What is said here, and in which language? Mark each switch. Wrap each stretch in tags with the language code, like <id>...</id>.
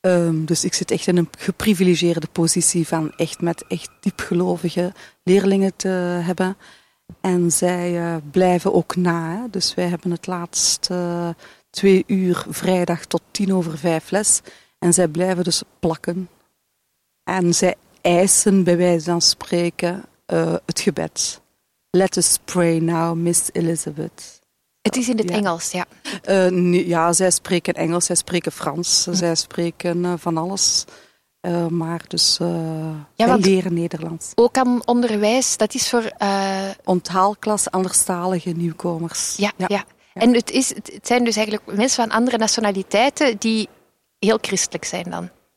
<nl>Dus ik zit echt in een geprivilegeerde positie van echt met echt diepgelovige leerlingen te hebben. En zij blijven ook na. Hè. Dus wij hebben het laatste 2 uur vrijdag tot 5:10 les. En zij blijven dus plakken. En zij eisen bij wijze van spreken het gebed.</nl> <en>Let us pray now, Miss Elizabeth.</en> <nl>Het is in het Engels, ja. Ja, zij spreken Engels, zij spreken Frans, zij spreken van alles. Maar leren Nederlands. Ook aan onderwijs, dat is voor... Onthaalklas, anderstalige nieuwkomers. Ja. En het zijn dus eigenlijk mensen van andere nationaliteiten die heel christelijk zijn dan.</nl>